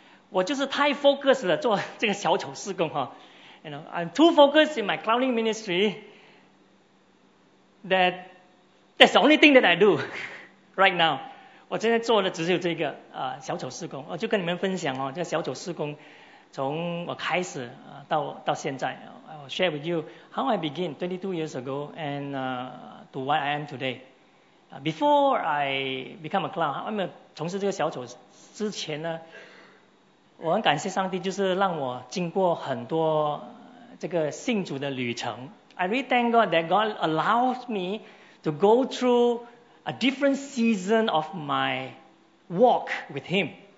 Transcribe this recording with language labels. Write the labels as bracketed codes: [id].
[zh] 我就是太 focused了, 做这个小丑事工, [en] you know, I'm too focused in my clowning ministry that that's the only thing that I do right now. [zh] 我现在做的只有这个小丑事工，我就跟你们分享哦，这个小丑事工从我开始到现在。 [en] I'll share with you how I begin 22 years ago and to what I am today. Before I become a clown, [zh] 我还没有从事这个小丑之前呢，我很感谢上帝，就是让我经过很多。这个信主的旅程, [en] I really thank God that God allows me to go through a different season of my walk with Him.